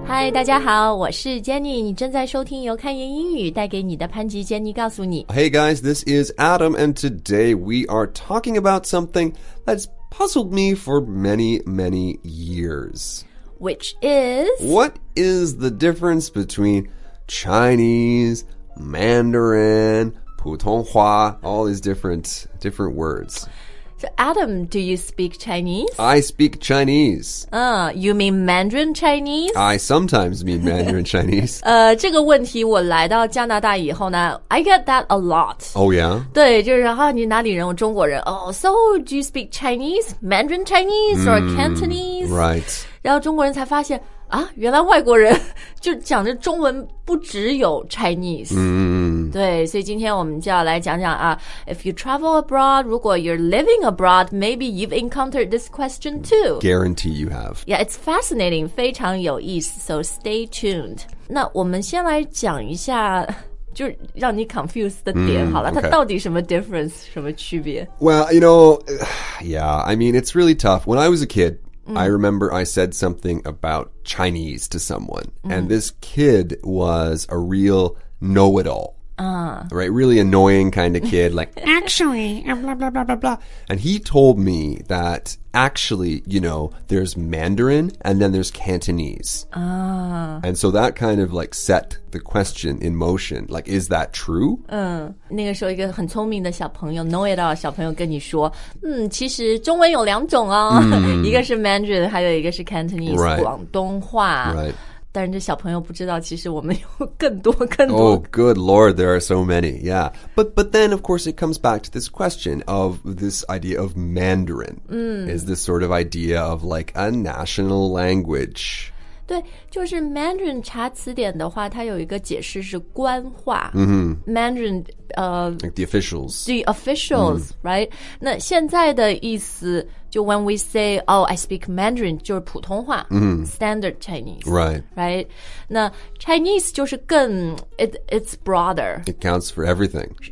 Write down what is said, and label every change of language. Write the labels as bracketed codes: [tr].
[zh] 大家好，我是 Jenny， 你正在收听由看言英语带给你的潘吉 Jenny 告诉你。 [en] Hey guys, this is Adam, and today we are talking about something that's puzzled me for many, many years. Which is? What is the difference between Chinese, Mandarin, 普通话, all these different words? So, Adam, do you speak Chinese? I speak Chinese. You mean Mandarin Chinese? I sometimes mean Mandarin Chinese. [zh] 这个问题我来到加拿大以后呢 [en] I get that a lot. Oh, yeah? [zh] 对，就是啊，你哪里人？我中国人。 [en] Oh, so do you speak Chinese? Mandarin Chinese or Cantonese? Right. [zh] 然后中国人才发现啊，原来外国人就讲着中文不只有 Chinese。对，所以今天我们就要来讲讲啊 [en] ，If you travel abroad, 如果 you're living abroad, maybe you've encountered this question too. Guarantee you have. Yeah, it's fascinating, [zh] 非常有意思。 [en] So stay tuned. [zh] 那我们先来讲一下，就是让你 confused 的点，好了，它到底什么 difference， 什么区别 [en] ？Well, you know, yeah, I mean, it's really tough. When I was a kid. I remember I said something about Chinese to someone, and this kid was a real know-it-all, right? Really annoying kind of kid, like, actually, blah, blah, blah, blah, blah. And he told me that actually, you know, there's Mandarin and then there's Cantonese. And so that kind of like set the question in motion, like, is that true? [zh] 那个时候一个很聪明的小朋友 know-it-all 小朋友跟你说其实中文有两种哦、一个是 Mandarin, 还有一个是 Cantonese,、 [en] right. [zh] 广东话。 [en] Right. [zh] 但是这小朋友不知道其实我们有更多更多 [en] Oh good lord, there are so many, yeah. But then of course it comes back to this question of this idea of Mandarin、is this sort of idea of like a national language. [zh] 对，就是 Mandarin 查词典的话它有一个解释是官话、Mandarin、 [en] like the officials. The officials,、right? [zh] 那现在的意思就 [en] when we say, oh, I speak Mandarin, 就是普通话、standard Chinese. Right. Right. [zh] 那 Chinese 就是更 [en] it's broader. It counts for everything.